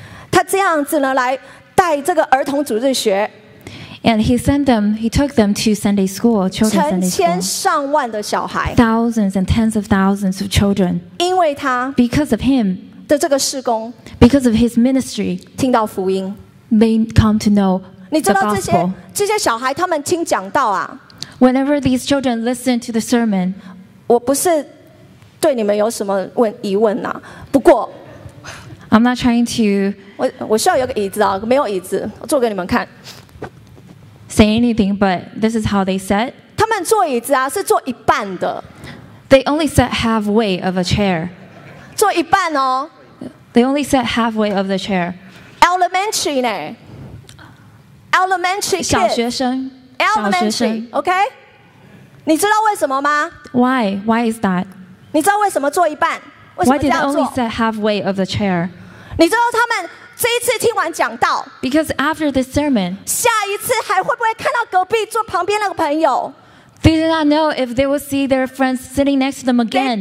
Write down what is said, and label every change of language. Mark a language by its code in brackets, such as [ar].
[zh] 他这样子呢来带这个儿童主日学。 [en] And he took them to Sunday school, children's Sunday school. [zh] 成千上万的小孩。 [en] Thousands and tens of thousands of children. [zh] 因为他。 [en] Because of him. [zh] 的这个事工。 [en] Because of his ministry. [zh] 听到福音。 [en] They come to know the gospel. [zh] 你知道这些小孩他们听讲道啊。 [en] Whenever these children listen to the sermon. [zh] 我不是对你们有什么疑问啊。不过。 [en] I'm not trying to. [zh] 我需要有个椅子啊，没有椅子，我坐给你们看。 [en] Say anything, but this is how they sat. [zh] 他们坐椅子啊，是坐一半的。 [en] They only sat halfway of a chair. [zh] 坐一半哦。 [en] They only sat halfway of the chair. Elementary 呢 ？Elementary kids. [zh] 小学生。 [en] Elementary, okay. [zh] 你知道为什么吗 [en] ？Why? Why is that? [zh] 你知道为什么坐一半？为什么这样坐 [en] ？Why did they only sat halfway of the chair? [zh] 你知道他们？这一次听完讲道 [en] ，Because after this sermon， [zh] 下一次还会不会看到隔壁坐旁边那个朋友 [en] ？They do not know if they will see their friends sitting next to them again.